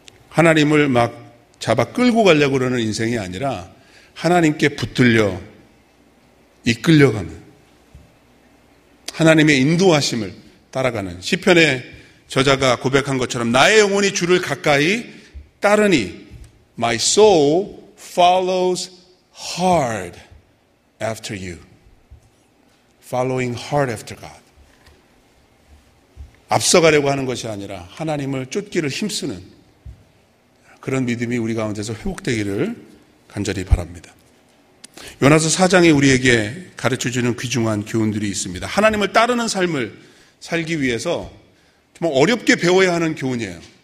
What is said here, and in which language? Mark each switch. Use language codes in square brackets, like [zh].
[ko] 하나님을 막 잡아 끌고 가려고 그러는 인생이 아니라 하나님께 붙들려 이끌려가는 하나님의 인도하심을 따라가는 시편의 저자가 고백한 것처럼 나의 영혼이 주를 가까이 따르니 [en] My soul follows hard after you. Following hard after God. [ko] 앞서가려고 하는 것이 아니라 하나님을 쫓기를 힘쓰는 그런 믿음이 우리 가운데서 회복되기를 간절히 바랍니다. 요나서 4장이 우리에게 가르쳐주는 귀중한 교훈들이 있습니다. 하나님을 따르는 삶을 살기 위해서 정말 어렵게 배워야 하는 교훈이에요.